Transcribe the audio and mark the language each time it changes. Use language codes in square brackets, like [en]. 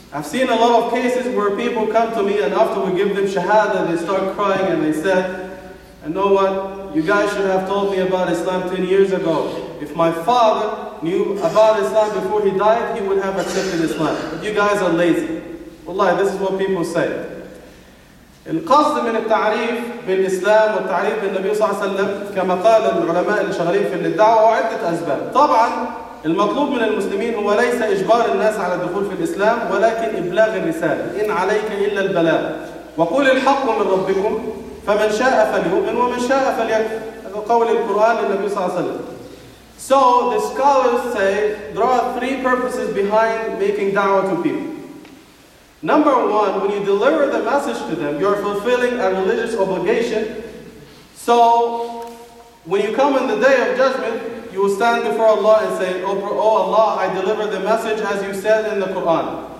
[en] I've seen a lot of cases where people come to me and after we give them shahada, they start crying and they said, and know what? You guys should have told me about Islam 10 years ago. If my father knew about Islam before he died, he would have accepted Islam. But you guys are lazy. Wallahi, this is what people say. [ar] القصد من التعريف بالإسلام والتعريف بالنبي صلى الله عليه وسلم كما قال العلماء الشغالين في الدعوة عدة أسباب. طبعا المطلوب من المسلمين هو ليس إجبار الناس على الدخول في الإسلام ولكن إبلاغ الرسالة. إن عليك إلا البلاغ وقول الحق من ربكم فمن شاء فليؤمن ومن شاء فليكفر. قول القرآن للنبي صلى الله عليه وسلم. [en] So the scholars say there are three purposes behind making da'wah to people. Number one, when you deliver the message to them, you're fulfilling a religious obligation. So, when you come in the day of judgment, you will stand before Allah and say, Oh Allah, I deliver the message as you said in the Quran.